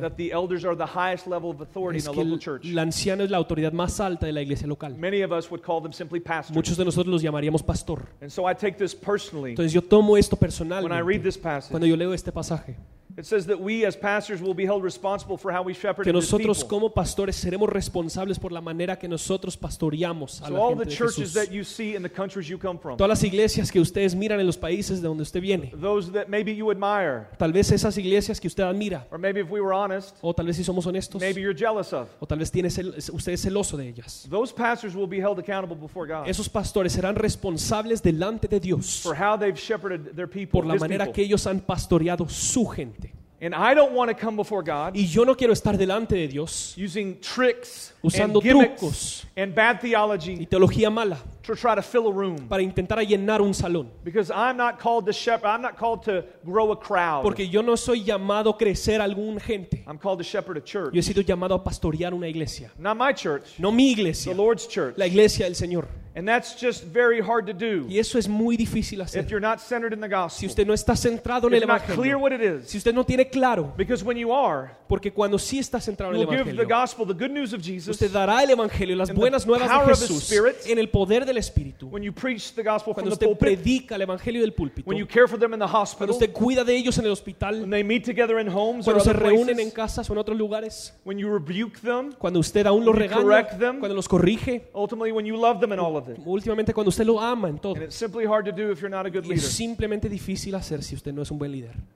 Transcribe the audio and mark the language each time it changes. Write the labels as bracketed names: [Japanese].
[English] that the elders are the highest level of authority in a local church. [Spanish] El anciano es la autoridad más alta de la iglesia local. [English] Many of us would call them simply pastors. [Spanish] Muchos de nosotros los llamaríamos pastor. [English] And so I take this personally. [Spanish] Entonces yo tomo esto personalmente. [English] When I read this passage, [Spanish] cuando yo leo este pasaje. [English] It says that we as pastors will be held responsible for how we shepherd the people. [Spanish] Que nosotros como pastores seremos responsables por la manera que nosotros pastoreamos a la gente. [English] All the churches that you see in the countries you come from. [Spanish] Todas las iglesias que ustedes miran en los países de donde usted viene. [English] Those that maybe you admire. [Spanish] Tal vez esas iglesias que usted admira. [English] Or maybe if we were honest. [Spanish] O tal vez si somos honestos. [English] Maybe you're jealous of. [Spanish] O tal vez usted es celoso de ellas. [English] Those pastors will be held accountable before God. [Spanish] Esos pastores serán responsables delante de Dios. [English] For how they've shepherded their people. [Spanish] Por la manera que ellos han pastoreado su gente. [English] And I don't want to come before God. [Spanish] Y yo no quiero estar delante de Dios. [English] Using tricks, [Spanish] usando [English] and gimmicks, [Spanish] trucos, [English] and bad theology. [Spanish] Y teología mala. [English] To try to fill a room. [Spanish] Para intentar llenar un salón. [English] Because I'm not called to shepherd. I'm not called to grow a crowd. [Spanish] Porque yo no soy llamado a crecer algún gente. [English] I'm called to shepherd a church. [Spanish] Yo he sido llamado a pastorear una iglesia. [English] Not my church. [Spanish] No mi iglesia. [English] The Lord's church. [Spanish] La iglesia del Señor. [English] And that's just very hard to do. [Spanish] Y eso es muy difícil hacer. [English] If you're not centered in the gospel. [Spanish] Si usted no está centrado en el evangelio. [English] If you're not clear what it is. [Spanish] Si usted no tiene claro. [English] Because when you are. [Spanish] Porque cuando sí está centrado en el evangelio. [English] You'll give the gospel, the good news of Jesus. [Spanish] Usted dará el evangelio, las buenas nuevas de Jesús. En el poder del Espíritu. [English] When you preach the gospel from the pulpit. [Spanish] Cuando usted predica el evangelio del púlpito. [English] When you care for them in the hospital. [Spanish] Cuando usted cuida de ellos en el hospital. [English] When they meet together in homes or other places. [Spanish] Cuando se reúnen en casas o en otros lugares. [English] When you rebuke them. [Spanish] Cuando usted aún los regaña. [English] When you correct them. [Spanish] Cuando los corrige. [English] Ultimately, when you love them in all of [Spanish] últimamente cuando usted lo ama en todo. [English] And it's simply hard to do if you're not a good leader. [Spanish] Y es simplemente difícil hacer si usted no es un buen líder.